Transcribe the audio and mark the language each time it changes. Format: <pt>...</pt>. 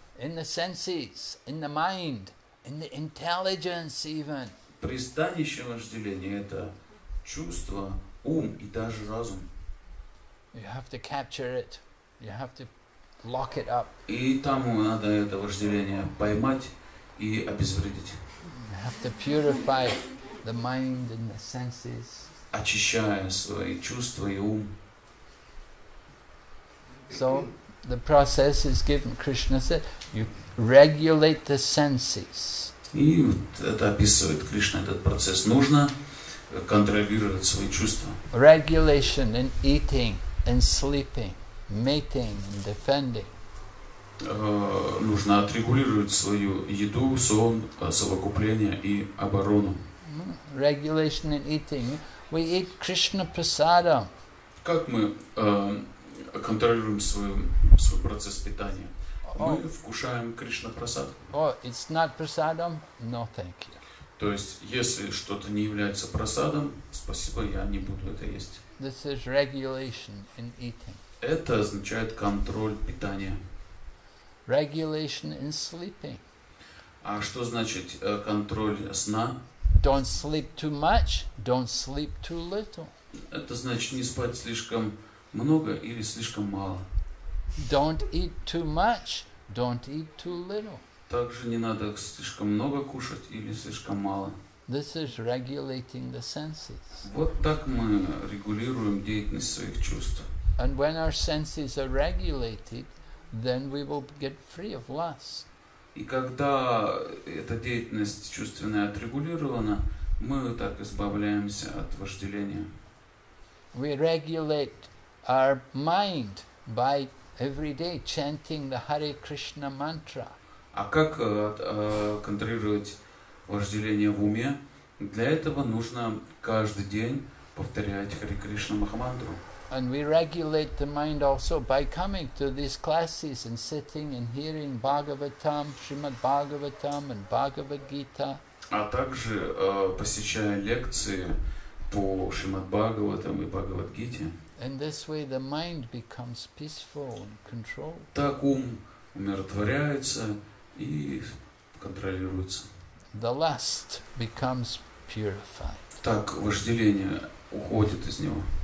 <en>In the senses, in the mind, in the intelligence even.</en> <ru>Пристанище вожделения — это чувство, ум и даже разум.</ru> <en>You have to capture it. You have to lock it up.</en> <ru>И там надо это вожделение поймать и обезвредить.</ru> <en>You have to purify the mind and the senses.</en> <ru>Очищая свои чувства и ум.</ru> <en>So the process is given. Krishna said, "You regulate the senses."</en> <ru>И вот это описывает Кришна, этот процесс. Нужно контролировать свои чувства.</ru> <en>Regulation in eating. And sleeping, mating, and defending.</en> <ru>Нужно отрегулировать свою еду, сон, совокупление и оборону.</ru> <en>Regulation in eating. We eat Krishna prasadam.</en> <ru>Как мы контролируем свой процесс питания? Мы вкушаем Кришна прасад.</ru> <en>Oh, it's not prasadam? No, thank you.</en> <ru>То есть, если что-то не является прасадом, спасибо, я не буду это есть.</ru> <en>This is regulation in eating.</en> <ru>Это означает контроль питания.</ru> <en>Regulation in sleeping.</en> <ru>А что значит контроль сна?</ru> <en>Don't sleep too much, don't sleep too little.</en> <ru>Это значит не спать слишком много или слишком мало.</ru> <en>Don't eat too much, don't eat too little.</en> <ru>Также не надо слишком много кушать или слишком мало.</ru> <en>This is regulating the senses.</en> <ru>Вот так мы регулируем деятельность своих чувств.</ru> <en>And when our senses are regulated, then we will get free of lust.</en> <ru>И когда эта деятельность чувственная отрегулирована, мы так избавляемся от вожделения.</ru> <en>We regulate our mind by every day chanting the Hare Krishna mantra.</en> <ru>А как контролировать вожделение в уме? Для этого нужно каждый день повторять Хари Кришна Махамантру.</ru> <en>And we regulate the mind also by coming to these classes and sitting and hearing Bhagavatam, Shrimad Bhagavatam and Bhagavad Gita.</en> <ru>А также посещая лекции по Шримад Бхагаватам и Бхагавад Гите.</ru> <en>And this way the mind becomes peaceful and controlled.</en> <ru>Так ум умиротворяется и контролируется.</ru> <en>The lust becomes purified.</en> <ru>Так вожделение уходит из него.</ru>